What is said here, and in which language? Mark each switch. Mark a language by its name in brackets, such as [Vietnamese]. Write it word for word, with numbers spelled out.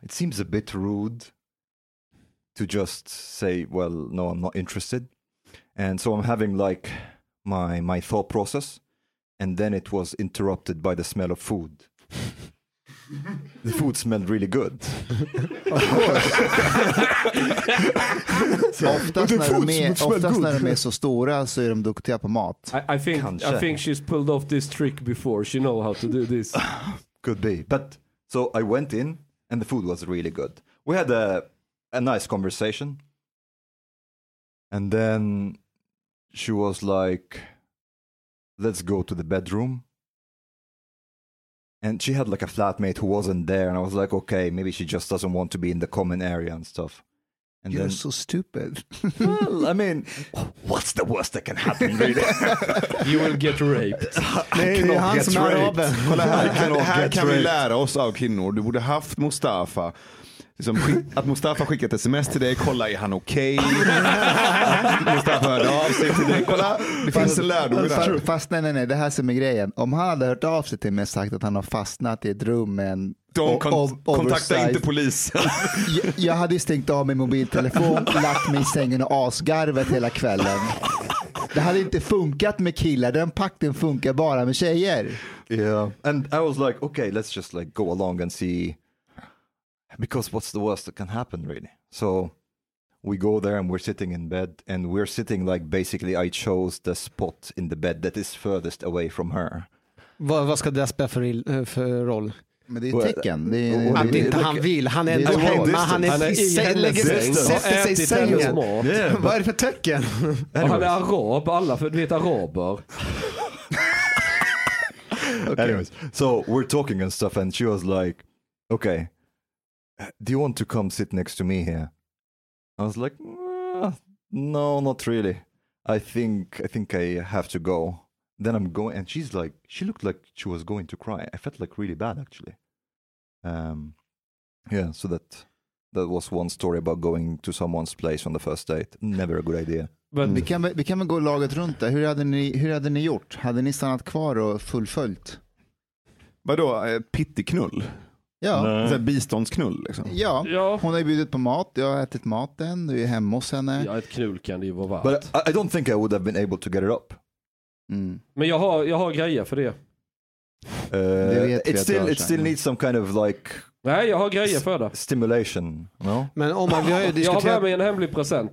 [English] It seems a bit rude to just say, "Well, no, I'm not interested." And so I'm having like my my thought process. And then it was interrupted by the smell of food. The food smelled really good. Of course. [Swedish] so, oftast när de är, oftast när de är så stora så är de duktiga på mat. [English] I, I think [Swedish] Kanske. [English] I think she's pulled off this trick before. She know how to do this. Could be. But so I went in and the food was really good. We had a a nice conversation. And then she was like, let's go to the bedroom. And she had like a flatmate who wasn't there. And I was like, okay, maybe she just doesn't want to be in the common area and stuff. And You're then, so stupid. Well, I mean, what's the worst that can happen, really? You will get raped. [Swedish] Nej, det är han som är Robin. Kolla här, det här kan vi lära oss av kvinnor. Du borde haft Mustafa. Skick, att Mustafa skickat sms till dig, kolla är han okej? Okay? Mustafa hörde av sig till dig, kolla, det fast, finns en lärdom fast, fast nej, nej, nej, det här som är grejen. Om han hade hört av sig till mig och sagt att han har fastnat i ett rum med en De kon- o- kontakta inte polisen. jag, jag hade ju stängt av min mobiltelefon, lagt mig i sängen och asgarvet hela kvällen. Det hade inte funkat med killar, den pakten funkar bara med tjejer. [English] Yeah, and I was like, okay, let's just like go along and see. Because what's the worst that can happen, really? So we go there and we're sitting in bed and we're sitting like basically I chose the spot in the bed that is furthest away from her. [Swedish] Vad, vad ska det spela för, för roll? Men det är ett tecken. Det är, att det inte han vill. Han är ändå hemma. Han är i sängen. Sätter sig i sängen. Vad är det för tecken? Han är arab. Alla för, du vet, araber. [English] Okay. Anyways, so we're talking and stuff and she was like, okay, do you want to come sit next to me here? I was like, no, not really. I think I think I have to go. Then I'm going, and she's like, she looked like she was going to cry. I felt like really bad, actually. Um, yeah. So that that was one story about going to someone's place on the first date. Never a good idea. [Swedish] Men vi kan vi kan väl gå laget runt där. Hur hade ni hur hade ni gjort? Hade ni stannat kvar och fullföljt? Vadå, pitteknull? Ja, så biståndsknull liksom. Ja. ja, hon har bjudit på mat. Jag har ätit maten. Du är hemma hos henne. Ja, ett knull kan det ju vara värt. [English] But I, I don't think I would have been able to get it up. Mm. [Swedish] Men jag har jag har grejer för det. [English] Uh, it still it still needs some kind of like. [Swedish] Nej, jag har grejer för det. [English] Stimulation, no? [Swedish] Men om man vi har ju diskuterat... Jag har med mig en hemlig present.